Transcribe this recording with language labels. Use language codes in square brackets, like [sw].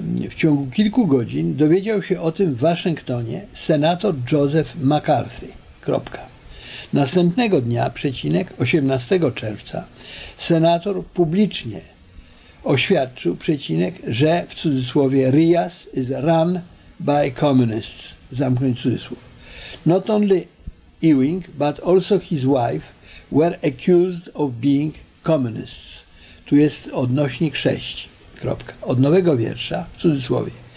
[pl] W ciągu kilku godzin dowiedział się o tym w Waszyngtonie senator Joseph McCarthy, kropka. Następnego dnia, przecinek, 18 czerwca, senator publicznie oświadczył, przecinek, że, w cudzysłowie, [en] RIAS is run by communists, [pl] zamknąć cudzysłów. [en] Not only Ewing, but also his wife were accused of being communists. [pl] Tu jest odnośnik 6, kropka. Od nowego wiersza, w cudzysłowie.